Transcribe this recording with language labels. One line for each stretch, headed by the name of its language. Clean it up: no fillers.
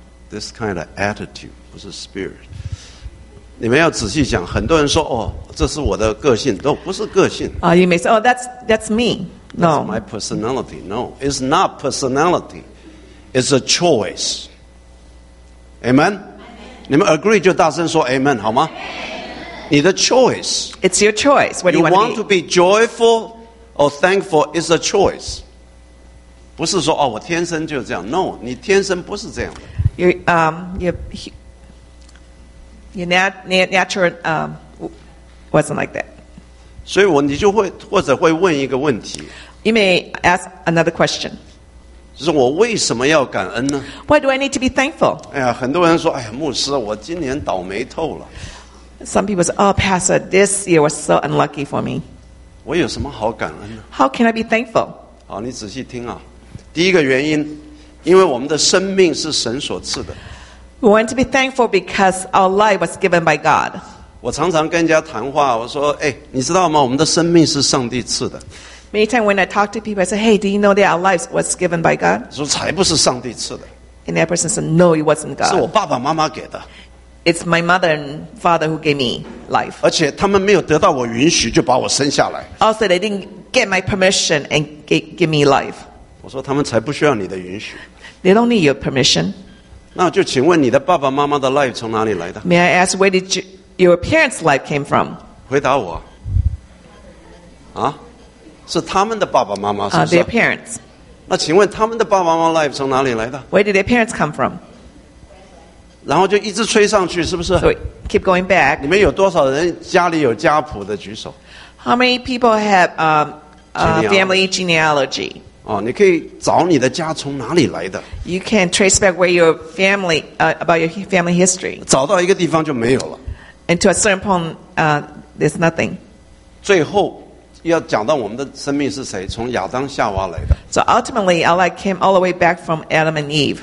English: This kind of attitude,
Chinese: 不是
English: spirit.
Chinese: 你们要仔细想，很多人说，哦，这是我的个性，都不是个性。
English: You may say, oh, that's me. No. That's my personality. No, it's not personality. It's a choice. Amen?
Chinese: 你们 agree 就大声说 amen, 好吗？
English: Amen.
Chinese: 你的 choice.
English: It's your choice. What do you want to be? To be joyful? Or thankful is a choice.
Chinese: 不是说，哦，我天生就这样。No, 你天生不是这样的。
English: Your natural wasn't like that.
Chinese: 所以你就会或者会问一个问题。
English: You may ask another question.
Chinese: 就是我为什么要感恩呢？
English: Why do I need to be thankful?
Chinese: 哎呀，很多人说，哎呀，牧师，我今年倒霉透了。
English: Some people say, oh, pastor, this year was so unlucky for me.
Chinese: 我有什么好感恩呢？
English: How can I be thankful?
Chinese: 好，你仔细听啊。第一个原因，因为我们的生命是神所赐的。
English: We want to be thankful because our life was given by God.
Chinese: 我常常跟人家谈话，我说，哎，你知道吗？我们的生命是上帝赐的。
English: Many times when I talk to people, I say, hey, do you know that our lives was given by God?
Chinese: 说才不是上帝赐的。
English: And that person said, no, it wasn't God.
Chinese: 是我爸爸妈妈给的。
English: It's my mother and father who gave me life.
Chinese: 而且他们没有得到我允许就把我生下来。
English: Also, they didn't get my permission and give me life.
Chinese: 我说他们才不需要你的允许。
English: They don't need your permission.
Chinese: 那就请问你的爸爸妈妈的 life 从哪里来的？
English: May I ask where did your parents' life came from?
Chinese: 回答我。啊？是他们的爸爸妈妈是不是？
English: Their parents.
Chinese: 那请问他们的爸爸妈妈 life 从哪里来的？
English: Where did their parents come from?
Chinese: 然后就一直吹上去，是不是？
English: So, keep going back.
Chinese: 你们有多少人家里有家谱的举手？
English: How many people have family genealogy?
Chinese: 哦，你可以找你的家从哪里来的。
English: You can trace back where your family about your family history.
Chinese: 找到一个地方就没有了。
English: And to a certain point, there's nothing.
Chinese: 最后要讲到我们的生命是谁，从亚当夏娃来的。
English: So ultimately, our life came all the way back from Adam and Eve.